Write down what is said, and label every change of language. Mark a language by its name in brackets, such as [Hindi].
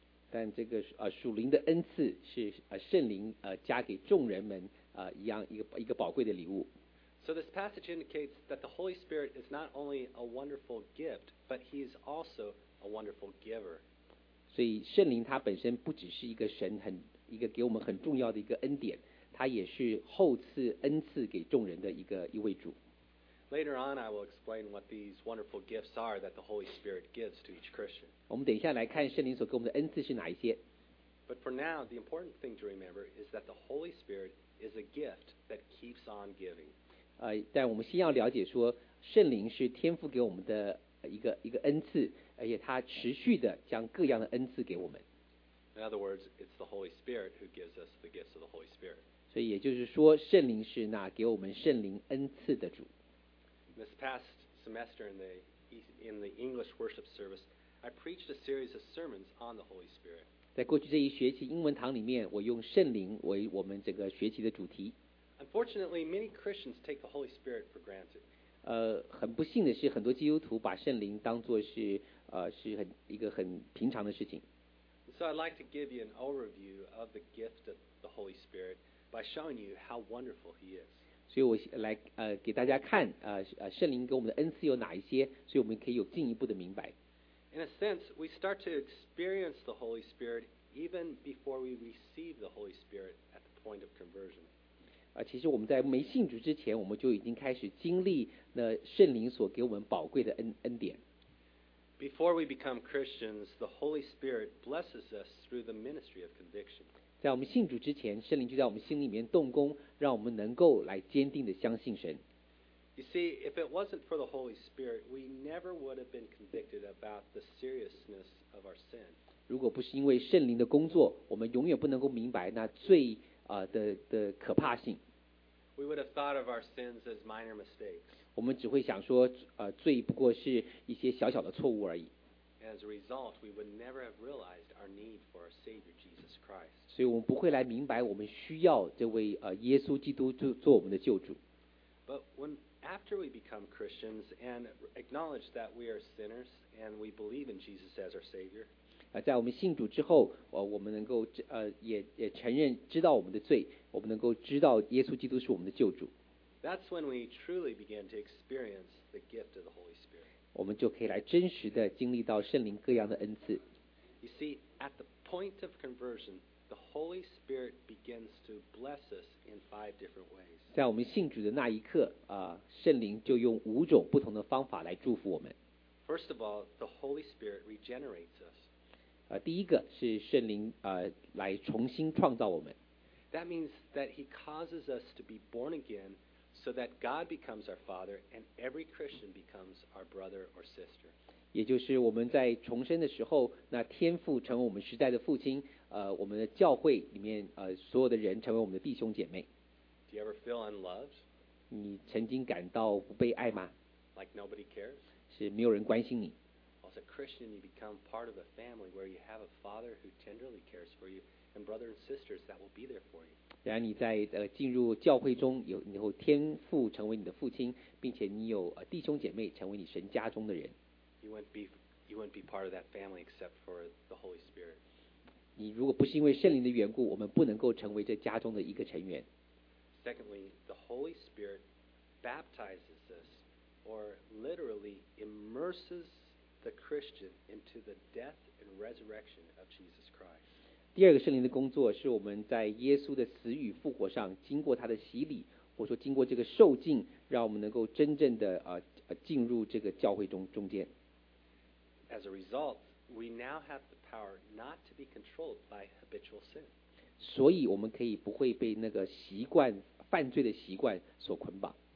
[Chinese] 但这个属灵的恩赐是圣灵加给众人们一样一个宝贵的礼物。 [English] So this passage indicates that the Holy Spirit is not only a wonderful gift, but He is also a wonderful giver. [Chinese] 所以圣灵它本身不只是一个神很一个给我们很重要的一个恩典，它也是后赐恩赐给众人的一位主。 [English] Later on, I will explain what these wonderful gifts are that the Holy Spirit gives to each Christian. [Chinese] 我们等一下来看圣灵所给我们的恩赐是哪一些。 [English] But for now, the important thing to remember is that the Holy Spirit is a gift that keeps on giving. [Chinese] 但我们先要了解说，圣灵是天父给我们的一个恩赐，而且他持续的将各样的恩赐给我们。 [English] In other words, it's the Holy Spirit who gives us the gifts of the Holy Spirit. [Chinese] 所以也就是说，圣灵是那给我们圣灵恩赐的主。 [English] This past semester in the English worship service, I preached a series of sermons on the Holy Spirit. [Chinese] 在过去这一学期英文堂里面，我用圣灵为我们整个学期的主题。 [English] Unfortunately, many Christians take the Holy Spirit for granted. [Chinese] 很不幸的是，很多基督徒把圣灵当作是是很一个很平常的事情。 [English] So I'd like to give you an overview of the gift of the Holy Spirit by showing you how wonderful He is. [Chinese] 所以我来给大家看圣灵给我们的恩赐有哪一些，所以我们可以有进一步的明白。 [English] In a sense, we start to experience the Holy Spirit even before we receive the Holy Spirit at the point of conversion. [Chinese] 其实我们在没信主之前，我们就已经开始经历那圣灵所给我们宝贵的恩典。 [English] Before we become Christians, the Holy Spirit blesses us through the ministry of conviction. [Chinese] 在我们信主之前，圣灵就在我们心里面动工，让我们能够来坚定的相信神。 [English] You see, if it wasn't for the Holy Spirit, we never would have been convicted about the seriousness of our sin. [Chinese] 如果不是因为圣灵的工作，我们永远不能够明白那罪的可怕性。 [English] We would have thought of our sins as minor mistakes. [Chinese] 我们只会想说，罪不过是一些小小的错误而已。 [English] As a result, we would never have realized our need for our Savior Jesus Christ. [Chinese] 所以我们不会来明白我们需要这位耶稣基督做我们的救主。 [English] But when after we become Christians and acknowledge that we are sinners and we believe in Jesus as our Savior, [Chinese] 在我们信主之后，我们能够也承认知道我们的罪，我们能够知道耶稣基督是我们的救主。 [English] That's when we truly begin to experience the gift of the Holy Spirit. [Chinese] 我们就可以来真实的经历到圣灵各样的恩赐。 [English] You see, at the point of conversion, the Holy Spirit begins to bless us in five different ways. [Chinese] 在我们信主的那一刻，圣灵就用五种不同的方法来祝福我们。 [English] First of all, the Holy Spirit regenerates us. [Chinese] 第一个是圣灵来重新创造我们。 [English] That means that He causes us to be born again. So that God becomes our Father and every Christian becomes our brother or sister. [Chinese] 也就是我们在重生的时候，那天父成为我们实在的父亲，我们的教会里面，所有的人成为我们的弟兄姐妹。 [English] Do you ever feel unloved? [Chinese] 你曾经感到不被爱吗？ [English] Like nobody cares? [Chinese] 是没有人关心你。 [English] Well, as a Christian, you become part of a family where you have a father who tenderly cares for you and brothers and sisters that will be there for you. [Chinese] 然而你在进入教会中，有以后天父成为你的父亲，并且你有弟兄姐妹成为你神家中的人。 [English] You wouldn't be part of that family except for the Holy Spirit. [Chinese] 你如果不是因为圣灵的缘故，我们不能够成为这家中的一个成员。 [English] Secondly, the Holy Spirit baptizes us, or literally immerses the Christian into the death and resurrection of Jesus Christ. [Chinese] 第二个圣灵的工作是我们在耶稣的死与复活上经过他的洗礼或者说经过这个受浸让我们能够真正的进入这个教会中间 [English] As a result, we now have the power not to be controlled by habitual sin [Chinese] 所以我们可以不会被那个习惯犯罪的习惯所捆绑